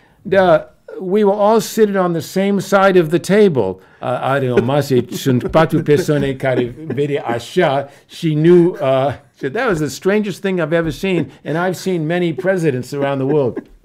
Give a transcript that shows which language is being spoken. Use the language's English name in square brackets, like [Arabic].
[English] Da, we were all sitting on the same side of the table. [Romanian] Are o masă, sunt patru persoane care vede așa. [English] She knew, said, that was the strangest thing I've ever seen. And I've seen many presidents around the world.